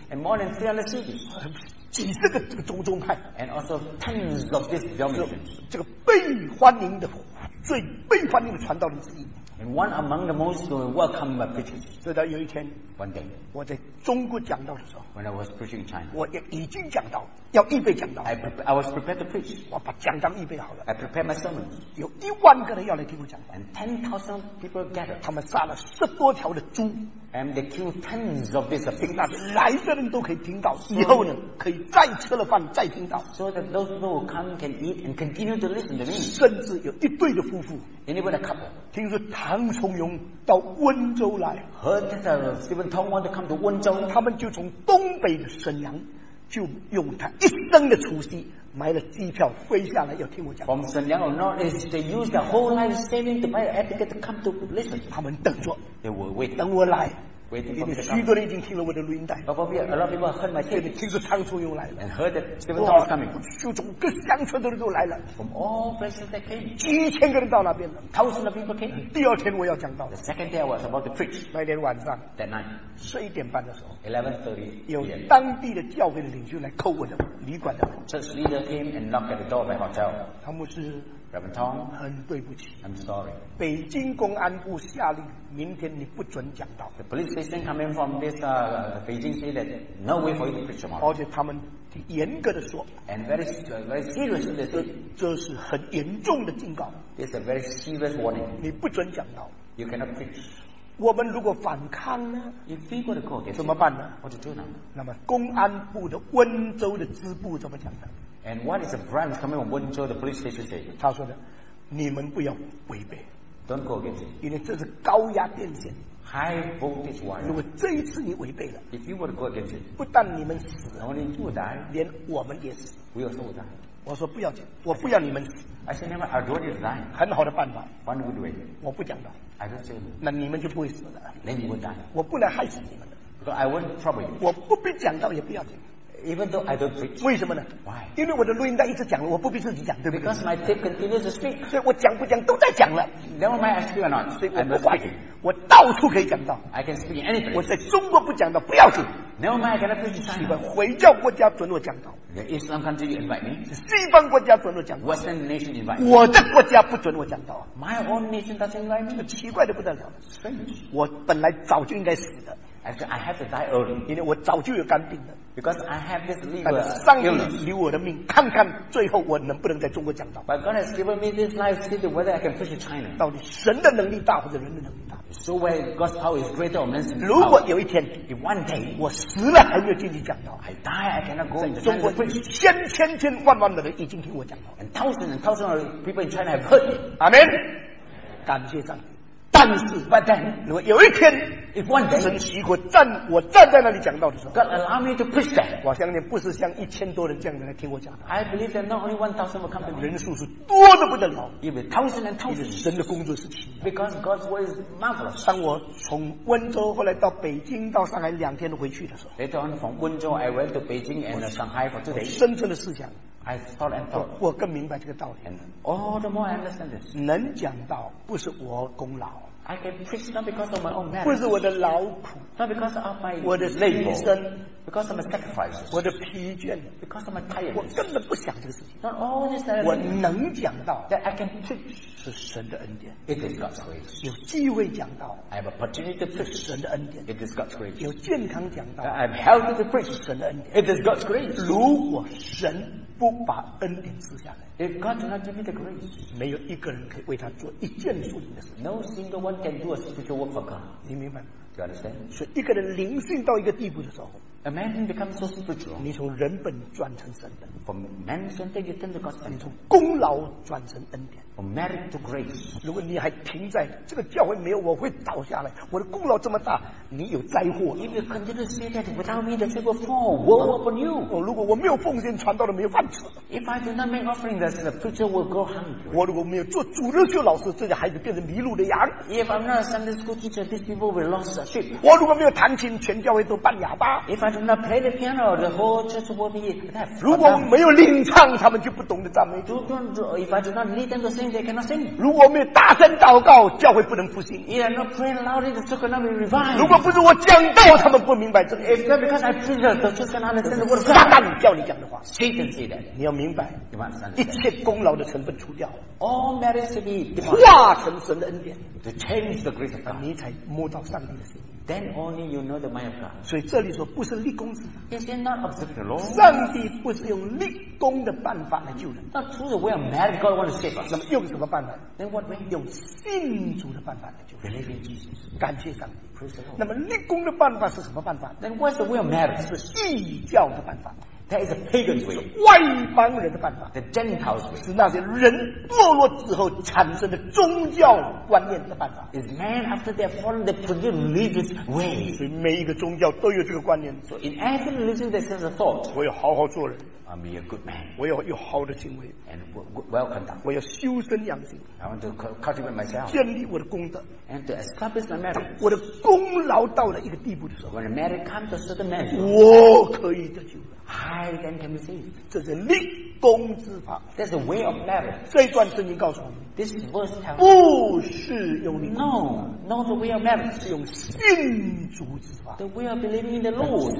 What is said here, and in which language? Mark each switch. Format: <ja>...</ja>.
<en>，And more than 300 cities。</en> <zh>几十个宗派</zh> <en>，and also tens of these denominations，</en> <zh>这个被欢迎的最悲欢的传道人之一。</zh> <en>And one among the most welcome preachers.</en> <zh>直到有一天</zh> <en>，One day，</en> <zh>我在中国讲道的时候</zh> <en>，When I was preaching in China，</en> <zh>我已经讲道，要预备讲道。</zh> <en>I was prepared to preach.</en> <zh>我把讲道预备好了。</zh> <en>I prepared my sermon.</en> <zh>有一万个人要来听我讲道。</zh> <en>And 10,000 people gathered.</en> <zh>他们杀了十多条的猪。</zh> <en>And they killed tens of these pigs.</en> <zh>那来的人都可以听到，以后呢，可以再吃了饭再听到。</zh> <en>So that those who come can eat and continue to listen to me.</en> <zh>甚至有一对的夫妇</zh> <en>，Anybody a couple，</en> <zh>听说唐崇荣到温州来</zh> <en>，Heard that Stephen Tong want to come to 温州。</en> <zh>他们就从东北的沈阳，就用他一生的储蓄买了机票飞下来要听我讲。</zh> <en>From 沈阳 or not is they use their whole life saving to buy a ticket to come to listen。</en> <zh>他们等着</zh> <en>，They will wait，</en> <zh>等我来。</zh> <en>Waiting for me to come.</en> <zh>许多人已经听了我的录音带。</zh> <en>Probably a lot of people heard my tape.</en> <zh>听说唐崇荣来了。</zh> <en>And heard that Stephen Tong is coming.</en> <zh>就从各乡村的人都来了。</zh> <en>From all places that came.</en> <zh>几千个人到那边了。</zh> <en>Thousands of people came.</en> <zh>第二天我要讲道。</zh> <en>The second day I was about to preach.</en> <zh>那天晚上。</zh> <en>That night.</en> <zh>十一点半的时候。</zh> <en>11:30.</en> <zh>有当地的教会的领袖来叩我的旅馆的门。</zh> <en>Church leader came and knocked at the door of my hotel.</en> <zh>他们是。</zh> <en>Reverend Tong,</en> <zh>很对不起</zh> <en>I'm sorry.</en> <zh>北京公安部下令，明天你不准讲道。</zh> <en>The police station coming from this Beijing say that no way for you to preach tomorrow.</en> <zh>而且他们严格的说</zh> <en>，and very very seriously they say</en> <zh>这是很严重的警告。</zh> <en>It's a very serious warning.</en> <zh>你不准讲道。</zh> <en>You cannot preach.</en> <zh>我们如果反抗呢</zh> <en>？If we go to court,</en> <zh>怎么办呢</zh> <en>？What to do now?</en> <zh>那么公安部的温州的支部怎么讲的？</zh> <en>And what is the brand coming from 温州 the police station say?</en> <zh>他说的，你们不要违背。</zh> <en>Don't go against it.</en> <zh>因为这是高压电线。</zh> <en>High voltage wire.</en> <zh>如果这一次你违背了</zh> <en>，If you were to go against it,</en> <zh>不但你们死</zh> <en>，Only you die,</en> <zh>连我们也死。</zh> <en>We also die.</en> <zh>我说不要紧，我不要你们死。</zh> <en>I said never. I'd rather die.</en> <zh>很好的办法。</zh> <en>One good way.</en> <zh>我不讲的。</zh> <en>I don't say.</en> <zh>那你们就不会死了。</zh> <en>Then you would die.</en> <zh>我不能害死你们的。</zh> <en>Because I won't trouble you.</en> <zh>我不必讲到也不要紧。</zh> <en>Even though I don't preach,</en> <zh>为什么呢</zh> <en>？Why?</en> <zh>因为我的录音带一直讲了，我不必自己讲，对不对</zh> <en>？Because my tape continues to speak.</en> <zh>所以我讲不讲都在讲了。</zh> <en>Never mind, I speak or not.</en> <zh>所以我不管， 我到处可以讲到。</zh> <en>I can speak anything.</en> <zh>我在中国不讲到不要紧。</zh> <en>Never mind, I cannot preach in China.</en> <zh>你们回教国家准我讲到。</zh> <en>The Islam country you invite me.</en> <zh>西方国家准我讲到。</zh> <en>Western nation invite me.</en> <zh>我的国家不准我讲到。</zh> <en>My own nation doesn't invite me.</en> <zh>奇怪的不得了。</zh> <en>Strange.</en> <zh>我本来早就应该死的。</zh> <en>I have to die early.</en> <zh>因为我早就有肝病了。</zh> <en>Because I have this liver.</en> <zh>但是上帝留我的命，看看最后我能不能在中国讲道。</zh> <en>But God has given me this life to see whether I can preach in China.</en> <zh>到底神的能力大或者人的能力大</zh> <en>？So where God's power is greater or man's power?</en> <zh>如果有一天</zh> <en>，if one day</en> <zh>我死了还没有进去讲道</zh> <en>，I die, I cannot go.</en> <zh>在中国，千千千万万的人已经听我讲道</zh> <en>，and thousands and thousands of people in China have heard.</en> <zh>Amen. 感谢上帝。但是</zh> <en>，but then，</en> <zh>如果有一天</zh> <en>，if one day，</en> <zh>神奇国站我站在那里讲道的时候</zh> <en>，God allow me to preach that，</en> <zh>我相信不是像一千多人这样的来听我讲道</zh> <en>，I believe that not only 1,000 will come to me，</en> <zh>人数是多的不得了</zh> <en>，even thousands and thousands，</en> <zh>神的工作是奇</zh> <en>，because God's word is marvelous。</en> <zh>当我从温州后来到北京到上海两天回去的时候</zh> <en>，later on from 温州 I went to Beijing and Shanghai for 2 days，</en> <zh>深深的思想。</zh> <en>I thought and thought.</en> <zh>我更明白这个道理。</zh> <en>All the more I understand this.</en> <zh>能讲道不是我功劳。</zh> <en>I can preach not because of my own merit.</en> <zh>不是我的劳苦。</zh> <en>Not because of my</en> <zh>我的牺牲。</zh> <en>Because of my sacrifices.</en> <zh>我的疲倦。</zh> <en>Because of my tiredness.</en> <zh>我根本不想这个事情。</zh> <en>Not all this that</en> <zh>我能讲道。</zh> <en>That I can preach</en> <zh>是神的恩典。</zh> <en>It is God's grace.</en> <zh>有机会讲道。</zh> <en>I have opportunity to preach</en> <zh>神的恩典。</zh> <en>It is God's grace.</en> <zh>有健康讲道。</zh> <en>I'm healthy to preach</en> <zh>神的恩典。</zh> <en>It is God's grace.</en> <zh>如果神不把恩典赐下来</zh> <en>，If God does not give me the grace，</en> <zh>没有一个人可以为他做一件属灵的事。</zh> <en>No single one can do a spiritual work for God。</en> <zh>你明白</zh> <en>？You understand？</en> <zh>所以一个人灵性到一个地步的时候</zh> <en>，A man becomes so spiritual。</en> <zh>你从人本转成神本</zh> <en>，From man's center you turn to God's center。</en> <zh>你从功劳转成恩典</zh> <en>，From merit to grace。</en> <zh>如果你还停在这个教会没有我会倒下来，我的功劳这么大，你有灾祸。</zh> <en>If you continue to say that without me the church will fall, woe upon you。</en> <zh>如果我没有奉献传道的没有饭吃。</zh> <en>If I do not make offering, the preacher will go hungry。</en> <zh>我如果没有做主日学老师，这些孩子变成迷路的羊。</zh> <en>If I'm not a Sunday school teacher, these people will lose their sheep。</en> <zh>我如果没有弹琴，全教会都半哑巴。</zh> <en>If but when I play the piano, the whole church will be deaf.</en> <zh>如果没有领唱，他们就不懂得赞美主。</zh> <en>If I do not lead them to sing, they cannot sing.</en> <zh>如果没有大声祷告，教会不能复兴。</zh> <en>If I not pray loudly, the church cannot be revived.</en> <zh>如果不是我讲道，他们不明白这个。</zh> <en>If not because I preach, the church cannot understand the word.</en> <zh>撒旦叫你讲的话。</zh> <en>Satan said that.</en> <zh>你要明白。</zh> <en>You must understand.</en> <zh>一切功劳的成分除掉。</zh> <en>All merits to be departed.</en> <zh>化成神的恩典。</zh> <en>To change the grace of God.</en> <zh>你才摸到上帝的心。</zh> <en>Then only you know the mind of God.</en> <zh>所以这里说不是立功之法。</zh> <en>Is it not observe the law?</en> <zh>上帝不是用立功的办法来救人。</zh> <en>Not through the way of merit, God wants to save us.</en> <zh>那么用什么办法？</zh> <en>Then what way?</en> <zh>用信主的办法来救人。</zh> <en>Believe in Jesus.</en> <zh>感谢上帝。</zh> <en>Praise the Lord.</en> <zh>那么立功的办法是什么办法？</zh> <en>Then what's the way of merit?</en> <zh>是异教的办法。</zh> <en>That is a pagan way.</en> <zh>外邦人的办法。</zh> <en>The Gentiles way.</en> <zh>是那些人堕落之后产生的宗教观念的办法。</zh> <en>Is man after their fall, they produce religious way.</en> <zh>所以每一个宗教都有这个观念。</zh> <en>So in every religion, there is a thought.</en> <zh>我要好好做人。</zh> <en>I'll be a good man.</en> <zh>我要有好的行为。</zh> <en>And well conduct.</en> <zh>我要修身养性。</zh> <en>I want to cultivate myself.</en> <zh>建立我的功德。</zh> <en>And to establish my merit.</en> <zh>我的功劳到了一个地步的时候。</zh> <en>When the merit comes to a certain man.</en> <zh>我可以得救。</zh> <en>High than can be seen.</en> <zh>这是立功之法。</zh> <en>That's the way of merit.</en> <zh>这一段圣经告诉我们。</zh> <en>This verse tells us.</en> <zh>不是用立功。</zh> <en>No, not the way of merit.</en> <zh>是用信主之法。</zh> <en>The way of believing in the Lord.</en>